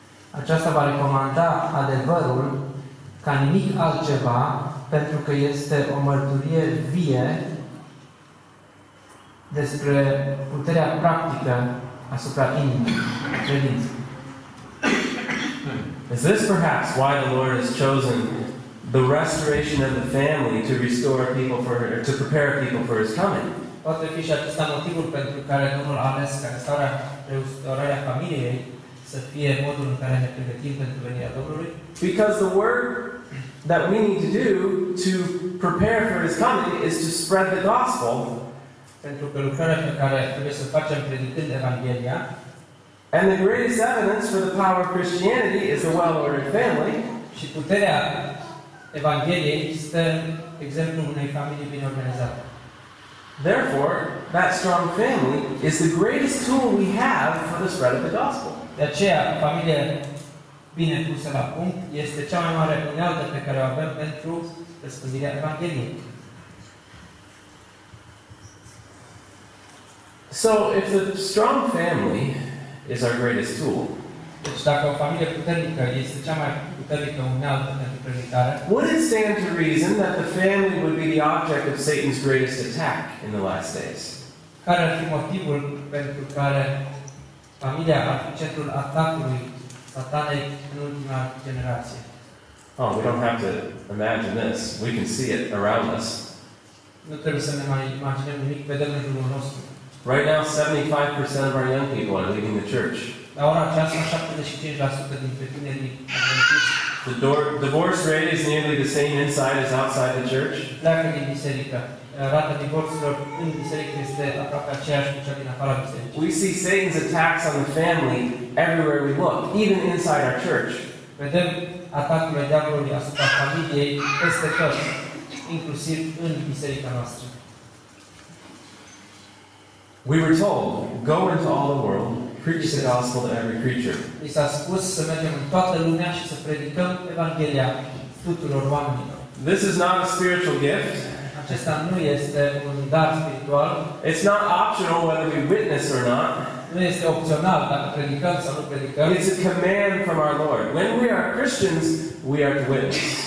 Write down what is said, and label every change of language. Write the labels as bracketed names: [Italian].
[Romanian] Aceasta va recomanda adevărul ca nimic altceva, pentru că este o mărturie vie despre puterea practică asupra inimii, credinței. [English] Is this perhaps why the Lord has chosen the restoration of the family to restore people for her, to prepare people for His coming? [Romanian] Poate fi și acesta motivul pentru care Domnul a ales ca restaurarea familiei să fie modul în care ne pregătim pentru venirea Domnului? [English] Because the work that we need to do to prepare for His coming is to spread the gospel. [Romanian] Pentru că lucrarea pe care trebuie să facem predicând Evanghelia. [English] And the greatest evidence for the power of Christianity is a well-ordered family. [Romanian] Și puterea Evanghelie este exemplul unei familii bine organizate. [English] Therefore, that strong family is the greatest tool we have for the spread of the gospel. [Romanian] De aceea, familia bine pusă la punct este cea mai mare unealtă pe care o avem pentru răspândirea Evangheliei. [English] So, if the strong family is our greatest tool, [Romanian] deci dacă o familie puternică este cea mai puternică unealtă pentru prezentare, [English] would it stand to reason that the family would be the object of Satan's greatest attack in the last days? [Romanian] Care ar fi motivul pentru care familia ar fi centrul atacului satanei în ultima generație? [English] Oh, we don't have to imagine this. We can see it around us. [Romanian] Nu trebuie să ne mai imaginăm nimic. Vedem în jurul nostru. [English] Right now, 75% of our young people are leaving the church. [Romanian] La ora aceasta, 75% dintre tinerii adventiști [English] The divorce rate is nearly the same inside as outside the church. [Romanian] Pleacă din biserică. Rata divorțurilor în biserică este aproape aceeași cu cea din afara bisericii. [English] We see Satan's attacks on the family everywhere we look, even inside our church. [Romanian] Vedem atacurile diavolului asupra familiei peste tot, inclusiv în biserica noastră. [English] We were told, go into all the world, preach the gospel to every creature. [Romanian] Ni s-a spus să mergem în toată lumea și să predicăm Evanghelia tuturor oamenilor. [English] This is not a spiritual gift. [Romanian] Acesta nu este un dar spiritual. [English] It's not optional whether we witness or not. [Romanian] Nu este opțional dacă predicăm sau nu predicăm. [English] It's a command from our Lord. When we are Christians, we are to witness.